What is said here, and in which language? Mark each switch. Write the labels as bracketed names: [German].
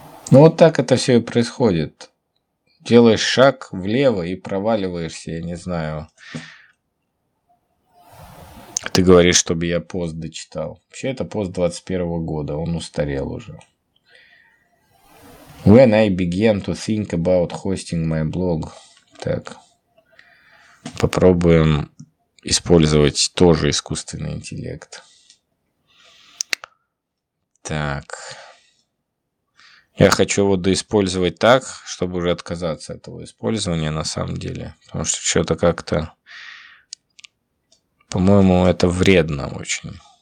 [Russian] Ну вот так это все и происходит. Делаешь шаг влево и проваливаешься, я не знаю. Ты говоришь, чтобы я пост дочитал. Вообще, это пост 21 года, он устарел уже. [English] When I began to think about hosting my blog. [Russian] Так. Попробуем использовать тоже искусственный интеллект. Так. Я хочу его доиспользовать так, чтобы уже отказаться от этого использования на самом деле. Потому что что-то как-то... По-моему, это вредно очень.